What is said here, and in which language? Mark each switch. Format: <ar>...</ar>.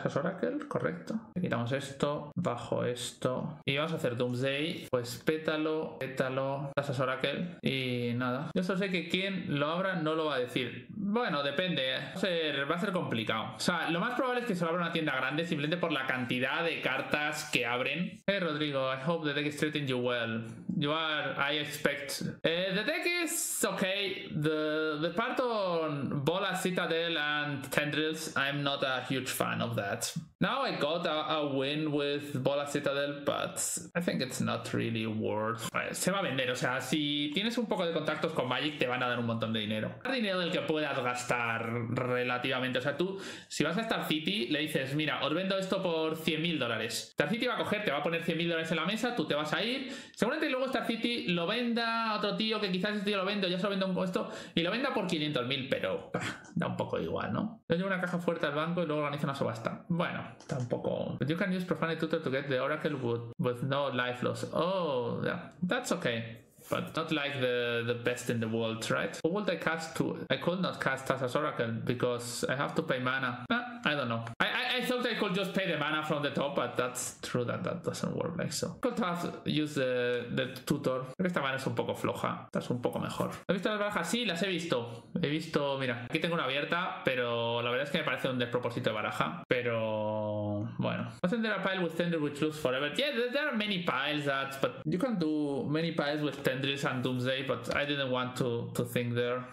<es>¿Es Oracle? Correcto. Le quitamos esto, bajo esto. Y vamos a hacer Doomsday. Pues pétalo, pétalo, es Oracle. Y nada. Yo solo sé que quien lo abra no lo va a decir. Bueno, depende. Va a ser complicado. O sea, lo más probable es que se lo abra una tienda grande simplemente por la cantidad de cartas que abren.</es> <en>Hey, Rodrigo, I hope the deck is treating you well. You are, I expect. The deck is okay. The part on Bola, Citadel and Tendrils, I'm not a huge fan of that. Now I got a win with Bola, Citadel, but I think it's not really worth.</en> <es>Se va a vender, o sea, si tienes un poco de contactos con Magic, te van a dar un montón de dinero. Más dinero del que puedas gastar relativamente. O sea, tú, si vas a Star City, le dices, mira, os vendo esto por 100.000 dólares. Star City va a coger, te va a poner 100.000 dólares en la mesa, tú te vas a ir. Seguramente luego Star City lo venda a otro tío, que quizás este tío lo vendo, ya se lo vendo un costo, y lo venda por 500.000, pero da un poco igual, ¿no? Yo llevo una caja fuerte al banco y luego organizo una subasta. Bueno. Tampoco.</es> <en>But you can use Profane Tutor to get the Oracle Wood with no life loss. Oh, yeah. That's okay. But not like the best in the world, right? What would I cast to? I could not cast Tassa's Oracle because I have to pay mana. I don't know. I thought I could just pay the mana from the top, but that's true that that doesn't work like so. Could have used the tutor.</en> <es>Creo que esta mano es un poco floja. Esta es un poco mejor. ¿Has visto las barajas? Sí, las he visto. He visto, mira, aquí tengo una abierta, pero la verdad es que me parece un despropósito de baraja. Pero bueno.</es> <en>Wasn't there a pile with Tendril which lose forever? Yeah, there are many piles that, but you can do many piles with Tendrils and Doomsday, but I didn't want to think there.</en>